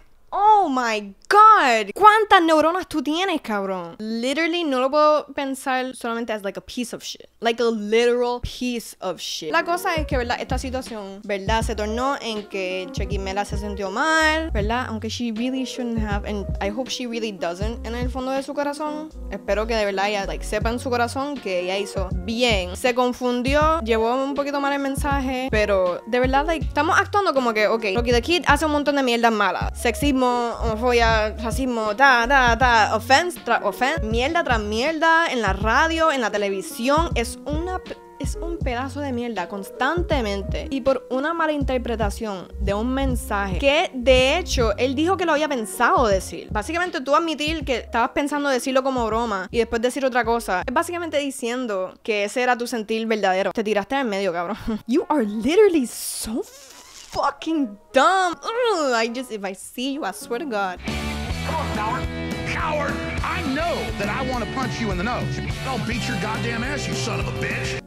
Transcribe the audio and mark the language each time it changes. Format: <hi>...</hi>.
<en>Oh my god,</en> <es>¿cuántas neuronas tú tienes, cabrón?</es> <en>Literally</en> <es>no lo puedo pensar solamente</es> <en>as like a piece of shit. Like a literal piece of shit.</en> <es>La cosa es que, ¿verdad? Esta situación, ¿verdad? Se tornó en que Chequi Mela se sintió mal, ¿verdad? Aunque</es> <en>she really shouldn't have, and I hope she really doesn't,</en> <es>en el fondo de su corazón. Espero que de verdad ella like, sepa en su corazón que ella hizo bien. Se confundió, llevó un poquito mal el mensaje, pero de verdad like, estamos actuando como que, ok, Rocky the Kid hace un montón de mierdas malas. Sexy, homofobia, racismo, offense tras offense, mierda tras mierda, en la radio, en la televisión, es un pedazo de mierda constantemente, y por una mala interpretación de un mensaje que de hecho él dijo que lo había pensado decir. Básicamente tú admitir que estabas pensando decirlo como broma y después decir otra cosa es básicamente diciendo que ese era tu sentir verdadero. Te tiraste en medio, cabrón.</es> <en>You are literally so fucking dumb. If I see you, I swear to God. Come on, coward. Coward. I know that I want to punch you in the nose. I'll beat your goddamn ass, you son of a bitch.</en>